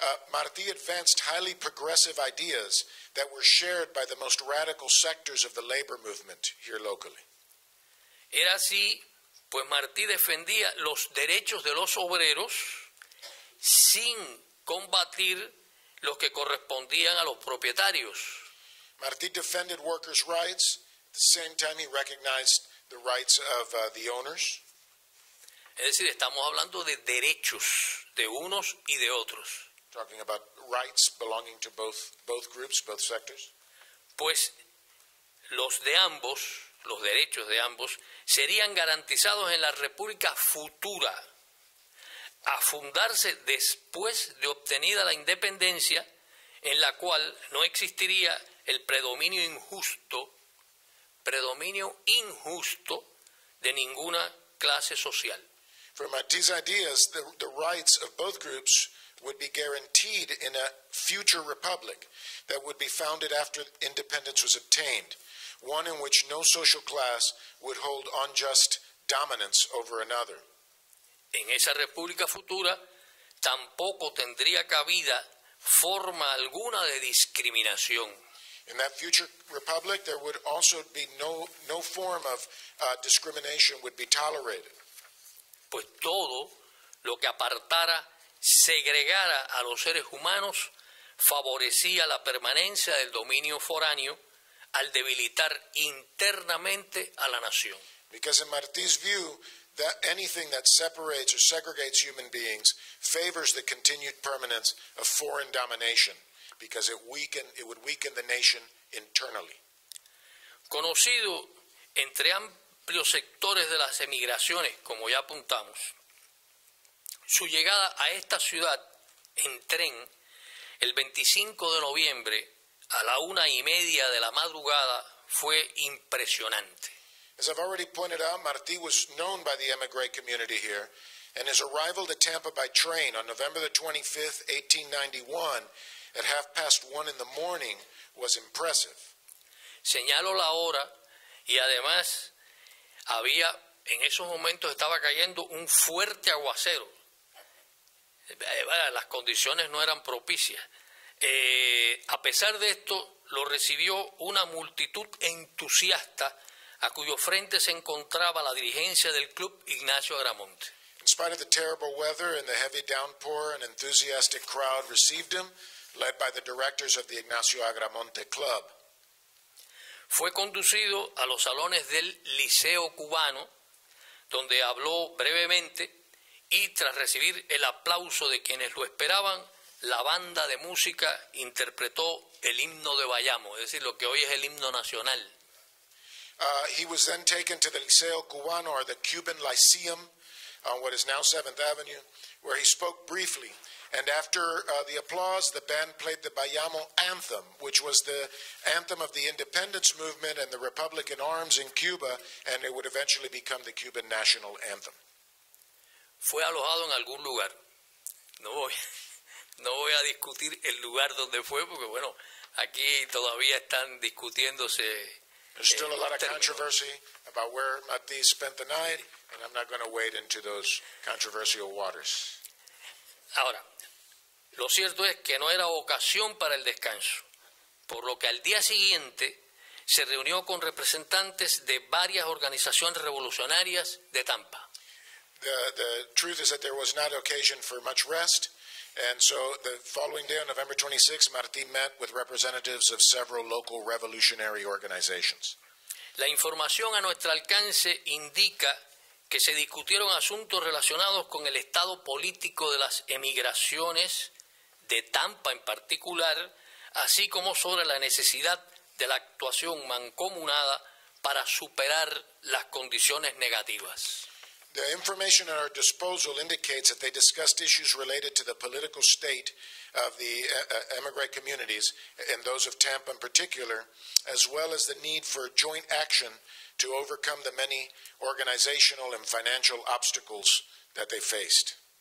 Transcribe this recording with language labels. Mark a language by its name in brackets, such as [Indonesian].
[English] Martí advanced highly progressive ideas that were shared by the most radical sectors of the labor movement here locally. [Spanish] Era así, pues Martí defendía los derechos de los obreros sin combatir los que correspondían a los propietarios. [English] Martí defended workers' rights, at the same time he recognized the rights of the owners. [Spanish] Es decir, estamos hablando de derechos de unos y de otros. [English] Talking about rights belonging to both groups, both sectors. [Spanish] Pues los de ambos, los derechos de ambos, serían garantizados en la República futura, a fundarse después de obtenida la independencia, en la cual no existiría el predominio injusto de ninguna clase social. [English] From these ideas, the rights of both groups would be guaranteed in a future republic that would be founded after independence was obtained, one in which no social class would hold unjust dominance over another. [Spanish] En esa república futura tampoco tendría cabida forma alguna de discriminación. [English] In that future republic, there would also be no form of discrimination would be tolerated. [Spanish] Pues todo lo que apartara, segregara a los seres humanos, favorecía la permanencia del dominio foráneo al debilitar internamente a la nación. [English] Because in Martí's view, that anything that separates or segregates human beings favors the continued permanence of foreign domination, because it would weaken the nation internally. [Spanish] Conocido entre amplios sectores de las emigraciones, como ya apuntamos, su llegada a esta ciudad en tren el 25 de noviembre a la 1:30 de la madrugada fue impresionante. [English] As I've already pointed out, Martí was known by the emigre community here, and his arrival to Tampa by train on November the 25th, 1891, at 1:30 in the morning, was impressive. [Spanish] Señaló la hora, y además había, en esos momentos estaba cayendo un fuerte aguacero. Las condiciones no eran propicias. A pesar de esto, lo recibió una multitud entusiasta, a cuyo frente se encontraba la dirigencia del club Ignacio Agramonte. [English] In spite of the terrible weather and the heavy downpour, an enthusiastic crowd received him, led by the directors of the Ignacio Agramonte Club. [Spanish] Fue conducido a los salones del Liceo Cubano, donde habló brevemente, y tras recibir el aplauso de quienes lo esperaban, la banda de música interpretó el himno de Bayamo, es decir, lo que hoy es el himno nacional. [English] He was then taken to the Liceo Cubano, or the Cuban Lyceum, on what is now 7th Avenue, where he spoke briefly. And after the applause, the band played the Bayamo anthem, which was the anthem of the independence movement and the Republic in arms in Cuba, and it would eventually become the Cuban national anthem. [Spanish] Fue alojado en algún lugar. No voy a discutir el lugar donde fue, porque bueno, aquí todavía están discutiéndose. [English] There's still a lot of controversy about where Martí spent the night, and I'm not going to wade into those controversial waters. [Spanish] Ahora, lo cierto es que no era ocasión para el descanso, por lo que al día siguiente se reunió con representantes de varias organizaciones revolucionarias de Tampa. [English] The truth is that there was not occasion for much rest, and so the following day, on November 26, Martí met with representatives of several local revolutionary organizations. [Spanish] La información a nuestro alcance indica que se discutieron asuntos relacionados con el estado político de las emigraciones de Tampa en particular, así como sobre la necesidad de la actuación mancomunada para superar las condiciones negativas. [English] The information at our disposal indicates that they discussed issues related to the political state of the emigrant communities, and those of Tampa in particular, as well as the need for joint action to overcome the many organizational and financial obstacles that they faced.